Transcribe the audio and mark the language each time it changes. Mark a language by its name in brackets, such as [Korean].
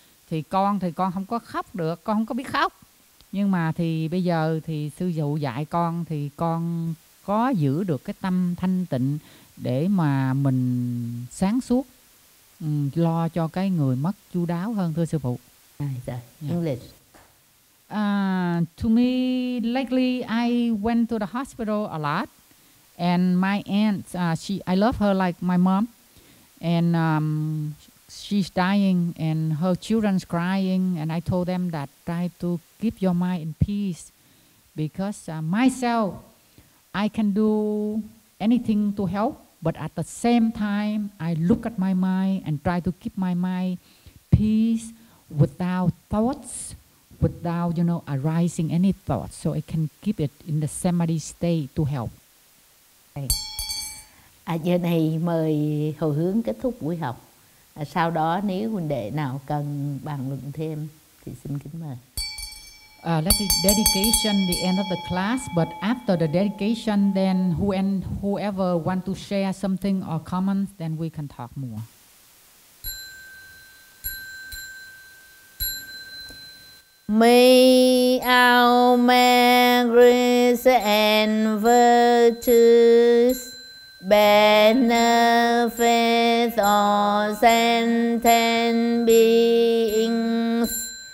[Vietnamese] Thì con không có khóc được, con không có biết khóc. Nhưng mà thì bây giờ thì sư dụ dạy con, thì con có giữ được cái tâm thanh tịnh để mà mình sáng suốt, lo cho cái người mất chu đáo hơn, thưa sư phụ. [English] English. To me, lately I went to the hospital a lot, and my aunt, I love her like my mom, and she's dying, and her children's crying, and I told them that try to keep your mind in peace, because myself, I can do anything to help, but at the same time, I look at my mind and try to keep my mind peace without thoughts. Without, you know, arising any thoughts, so I can keep it in the samadhi state to help. [Vietnamese] À, giờ này mời hồi hướng kết thúc buổi học. À, sau đó nếu huynh đệ nào cần bàn luận thêm thì xin kính mời. [English] Let the dedication the end of the class, but after the dedication, then whoever want to share something or comment, then we can talk more. May our merits and virtues benefit all sentient beings.